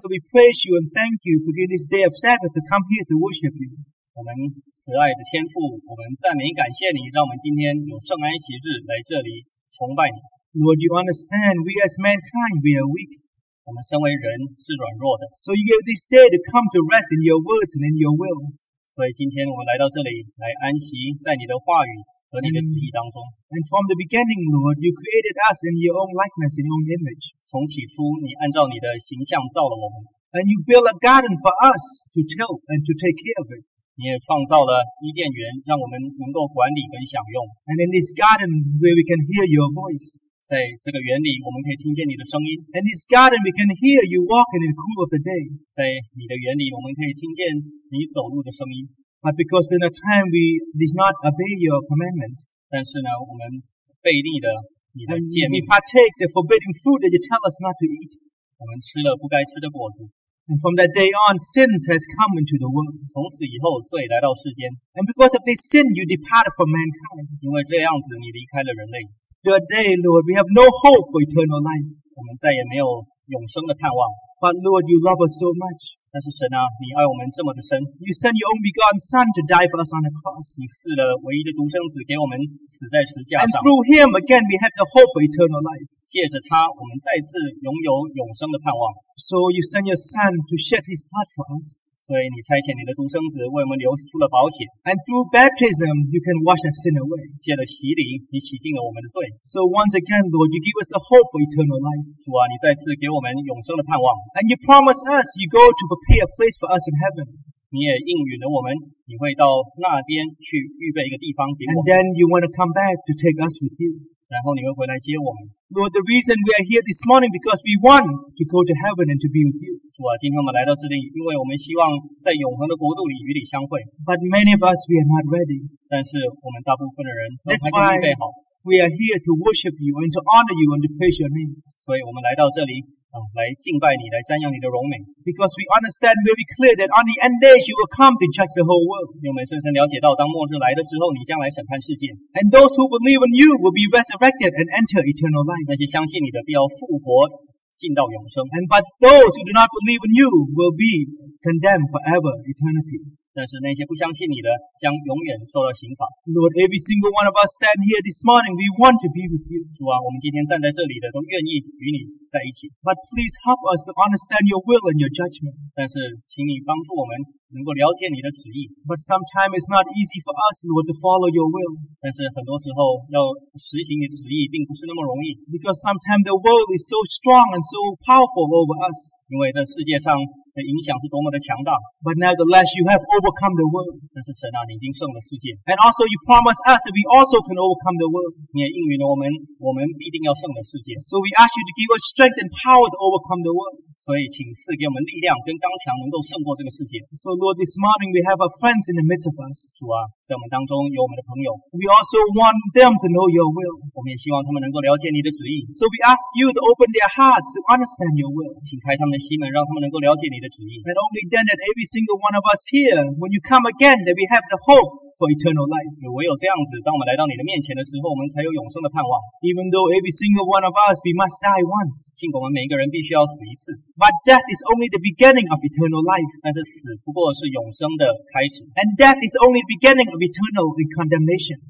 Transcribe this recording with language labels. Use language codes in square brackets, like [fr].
[en] we praise you and thank you for giving this day of Sabbath to come here to worship you. [zh] 我们慈爱的天父，我们赞美感谢你，让我们今天有圣安息日来这里崇拜你。 [en] Lord, you understand we as mankind we are weak. [zh] 我们身为人是软弱的。 [en] So you gave this day to come to rest in your words and in your will. [zh] 所以今天我们来到这里来安息在你的话语和你的旨意当中。 [en] And from the beginning, Lord, you created us in your own likeness, in your own image. [zh] 从起初你按照你的形象造了我们。 [en] And you built a garden for us to till and to take care of it. [zh] 你也创造了伊甸园，让我们能够管理跟享用。 [en] And in this garden where we can hear your voice, [zh] 在这个园里，我们可以听见你的声音。 [en] And this garden we can hear you walking in the cool of the day, [zh] 在你的园里，我们可以听见你走路的声音。 [en] But because in a time we did not obey your commandment, [zh] 但是呢，我们背离了你的诫命。 [en] And we partake the forbidden food that you tell us not to eat, [zh] 我们吃了不该吃的果子。 [en] And from that day on, sin has come into the world. [zh] 从此以后，罪来到世间。 [en] And because of this sin, you departed from mankind. [zh] 因为这样子，你离开了人类。 [en] Today, Lord, we have no hope for eternal life. [zh] 我们再也没有永生的盼望。 [en] But Lord, you love us so much. [zh] 但是神啊，你爱我们这么的深。 [en] You sent your own begotten Son to die for us on the cross. [zh] 你赐了唯一的独生子给我们，死在十架上。 [en] And through Him again, we have the hope for eternal life. [zh] 借着他，我们再次拥有永生的盼望。 [en] So you send your Son to shed His blood for us. [zh] 所以你差遣你的独生子为我们流出了宝血。 [en] And through baptism, you can wash our sin away. [zh] 借着洗礼，你洗净了我们的罪。 [en] So once again, Lord, you give us the hope for eternal life. [zh] 主啊，你再次给我们永生的盼望。 [en] And you promise us, you go to prepare a place for us in heaven. [zh] 你也应允了我们，你会到那边去预备一个地方给我们。 [en] And then you want to come back to take us with you. [zh] 然后你会回来接我们。 [en] Lord, the reason we are here this morning because we want to go to heaven and to be with you. [zh] 主啊，今天我们来到这里，因为我们希望在永恒的国度里与你相会。 [en] But many of us we are not ready. [zh] 但是我们大部分的人都还没预备好。 [en] That's why we are here to worship you and to honor you and to praise your name. [zh] 所以我们来到这里啊，来敬拜你，来瞻仰你的荣美。 [en] Because we understand very clear that on the end days you will come to judge the whole world. [zh] 因为我们深深了解到，当末日来的时候，你将来审判世界。 [en] And those who believe in you will be resurrected and enter eternal life. [zh] 那些相信你的必要复活，进到永生。 [en] And but those who do not believe in you will be condemned forever eternity. [zh] 但是那些不相信你的，将永远受到刑罚。 [en] Lord, every single one of us stand here this morning, we want to be with you. [zh] 主啊，我们今天站在这里的，都愿意与你。在一起。 [en] But please help us to understand your will and your judgment. [zh] 但是请你帮助我们能够了解你的旨意。 [en] But sometimes it's not easy for us, Lord, to follow your will. [zh] 但是很多时候要实行你的旨意并不是那么容易。 [en] Because sometimes the world is so strong and so powerful over us. [zh] 因为这世界上的影响是多么的强大。 [en] But nevertheless, you have overcome the world. [zh] 但是神啊，你已经胜了世界。 [en] And also you promise us that we also can overcome the world. [zh] 你也应允了我们必定要胜了世界。 [en] So we ask you to give us strength and power to overcome the world. [zh] 所以请赐给我们力量跟刚强，能够胜过这个世界。 [en] So Lord, this morning we have our friends in the midst of us. [zh] 主啊，在我们当中有我们的朋友。 [en] We also want them to know your will. [zh] 我们也希望他们能够了解你的旨意。 [en] So we ask you to open their hearts to understand your will. [zh] 请开他们的心门，让他们能够了解你的旨意。 [en] And only then that every single one of us here, when you come again, that we have the hope. For eternal life. [zh] 唯有这样子，当我们来到你的面前的时候，我们才有永生的盼望。 [en] Even though every single one of us, we must die once. [zh] 尽管我们每一个人必须要死一次。 [en] But death is only the beginning of eternal life. [zh] 但是死不过是永生的开始。 [en] And death is only the beginning of eternal condemnation.